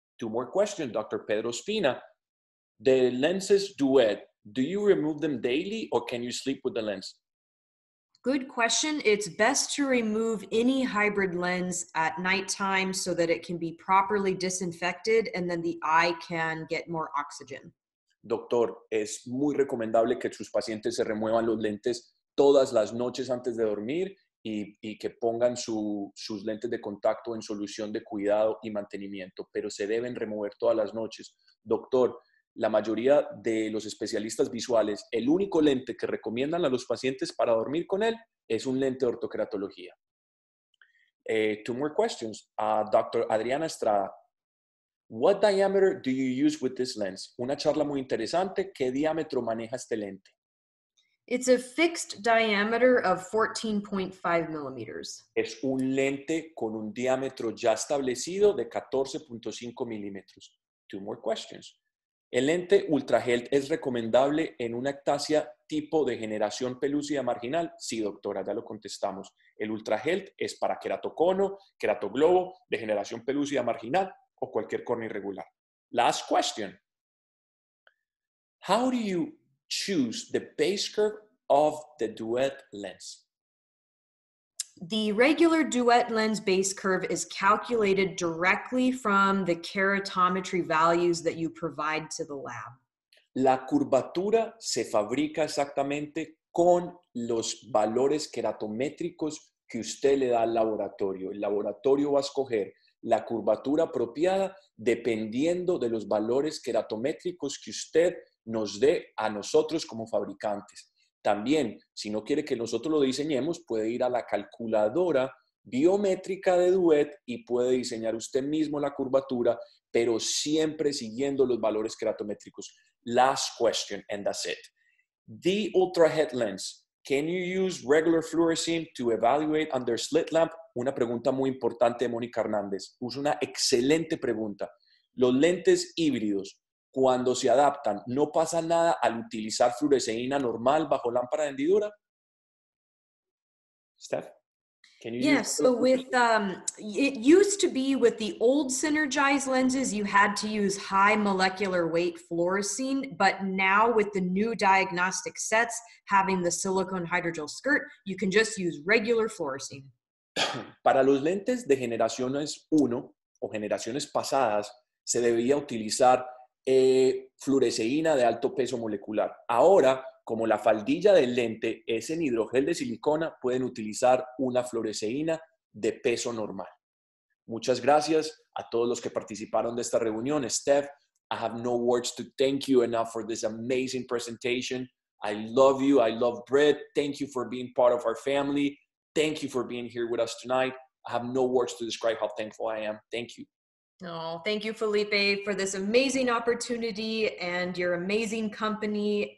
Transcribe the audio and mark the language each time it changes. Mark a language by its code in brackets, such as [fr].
[en] 2 more questions, Dr. Pedro Spina. The lenses duet, do you remove them daily or can you sleep with the lens? Good question. It's best to remove any hybrid lens at nighttime so that it can be properly disinfected and then the eye can get more oxygen. [es] Doctor, es muy recomendable que sus pacientes se remuevan los lentes todas las noches antes de dormir. Y que pongan sus lentes de contacto en solución de cuidado y mantenimiento, pero se deben remover todas las noches. Doctor, la mayoría de los especialistas visuales, el único lente que recomiendan a los pacientes para dormir con él es un lente de ortokeratología. [en] 2 more questions. Dr. Adriana Estrada, what diameter do you use with this lens? [es] Una charla muy interesante. ¿Qué diámetro maneja este lente? [en] It's a fixed diameter of 14.5 millimeters. [es] Es un lente con un diámetro ya establecido de 14.5 milímetros. [en] Two more questions. [es] El lente UltraHealth es recomendable en una ectasia tipo de generación pelúcida marginal. Sí, doctora, ya lo contestamos. El UltraHealth es para queratocono, queratoglobo, de generación pelúcida marginal o cualquier córnea irregular. [en] Last question. How do you choose the base curve of the duet lens? The regular duet lens base curve is calculated directly from the keratometry values that you provide to the lab. [es] La curvatura se fabrica exactamente con los valores keratométricos que usted le da al laboratorio. El laboratorio va a escoger la curvatura apropiada dependiendo de los valores keratométricos que usted nos dé a nosotros como fabricantes. También, si no quiere que nosotros lo diseñemos, puede ir a la calculadora biométrica de Duet y puede diseñar usted mismo la curvatura, pero siempre siguiendo los valores keratométricos. [en] Last question, and that's it. The UltraHealth lens, can you use regular fluorescein to evaluate under slit lamp? [es] Una pregunta muy importante de Mónica Hernández. Es una excelente pregunta. Los lentes híbridos, cuando se adaptan, ¿no pasa nada al utilizar fluoresceína normal bajo lámpara de hendidura? [en] Steph, can you Yes, so with it used to be with the old synergized lenses, you had to use high molecular weight fluorescein, but now with the new diagnostic sets having the silicone hydrogel skirt, you can just use regular fluorescein. [es] Para los lentes de generaciones 1 o generaciones pasadas, se debía utilizar fluoresceína de alto peso molecular. Ahora, como la faldilla del lente es en hidrogel de silicona, pueden utilizar una fluoresceína de peso normal. Muchas gracias a todos los que participaron de esta reunión. [en] Steph, I have no words to thank you enough for this amazing presentation. I love you. I love Brett. Thank you for being part of our family. Thank you for being here with us tonight. I have no words to describe how thankful I am. Thank you. Oh, thank you, Felipe, for this amazing opportunity and your amazing company.